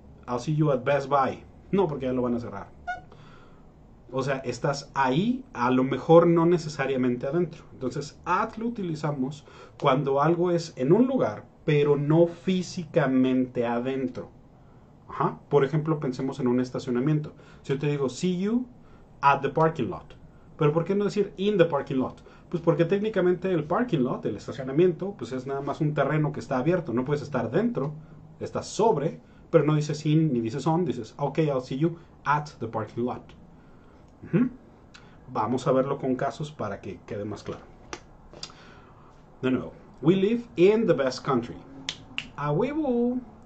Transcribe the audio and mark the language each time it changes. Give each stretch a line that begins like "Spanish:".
English: I'll see you at Best Buy.
Spanish: No, porque ya lo van a cerrar. O sea, estás ahí, a lo mejor no necesariamente adentro. Entonces, at lo utilizamos cuando algo es en un lugar, pero no físicamente adentro. Ajá. Por ejemplo, pensemos en un estacionamiento. Si yo te digo,
English: see you at the parking lot.
Spanish: Pero ¿por qué no decir
English: in the parking lot?
Spanish: Pues porque técnicamente el parking lot, el estacionamiento, pues es nada más un terreno que está abierto. No puedes estar dentro, estás sobre, pero no dices in ni dices on, dices, ok,
English: I'll see you at the parking lot.
Spanish: Vamos a verlo con casos para que quede más claro. De nuevo,
English: we live in the best country.
Spanish: A huevo.